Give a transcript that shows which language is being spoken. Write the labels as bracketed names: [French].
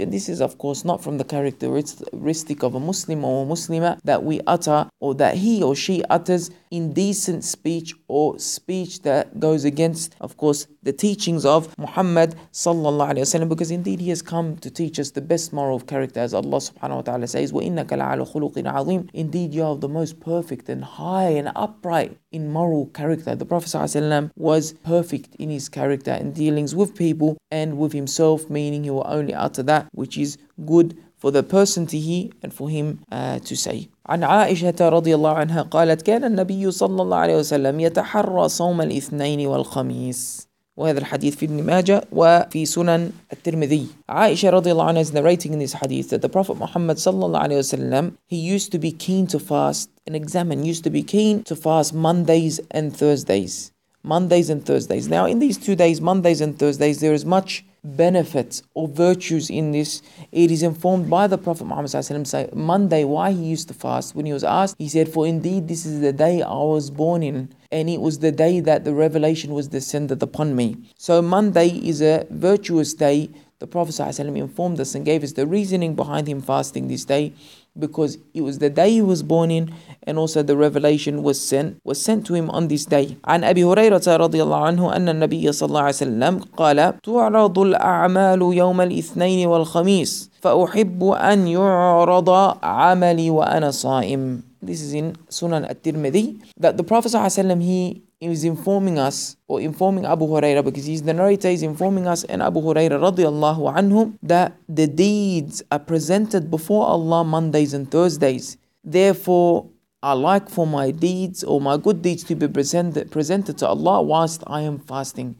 [English] And this is of course not from the characteristic of a Muslim or a Muslimah that we utter or that he or she utters indecent speech or speech that goes against, of course, the teachings of Muhammad sallallahu alayhi wa sallam, because indeed he has come to teach us the best moral of character, as Allah subhanahu wa ta'ala says, [Arabic] وَإِنَّكَ لَعَلَى خُلُقٍ عَظِيمٍ. [English] Indeed you are the most perfect and high and upright in moral character. The Prophet sallallahu alayhi wa sallam was perfect in his character and dealings with people and with himself, meaning he will only utter that which is good for the person to hear and for him to say. [Arabic] عن عائشة رضي الله عنها قالت كان النبي صلى الله عليه وسلم يتحرى صوم الاثنين والخميس. وهذا الحديث في ابن ماجه وفي سنن الترمذي. [English] عائشة رضي الله عنها is narrating in this hadith that the Prophet Muhammad صلى الله عليه وسلم, he used to be keen to fast and examine, used to be keen to fast Mondays and Thursdays. Mondays and Thursdays. Now in these 2 days, Mondays and Thursdays, there is much benefits or virtues in this. It is informed by the Prophet Muhammad sallallahu alaihi wasallam say Monday why he used to fast. When he was asked, he said, for indeed this is the day I was born in, and it was the day that the revelation was descended upon me. So Monday is a virtuous day. The Prophet sallallahu alaihi wasallam informed us and gave us the reasoning behind him fasting this day, because it was the day he was born in, and also the revelation was sent to him on this day. [Arabic] عن أبي هريرة رضي الله عنه أن النبي صلى الله عليه وسلم قال تعرض الأعمال يوم الاثنين والخميس فأحب أن يعرض عملي وأنا صائم. [English] This is in Sunan al-Tirmidhi that the Prophet sallallahu alaihi wasallam, he is informing us, or informing Abu Huraira, because he's the narrator, he's informing us and Abu Huraira radiallahu anhu, that the deeds are presented before Allah Mondays and Thursdays. Therefore, I like for my deeds or my good deeds to be presented to Allah whilst I am fasting.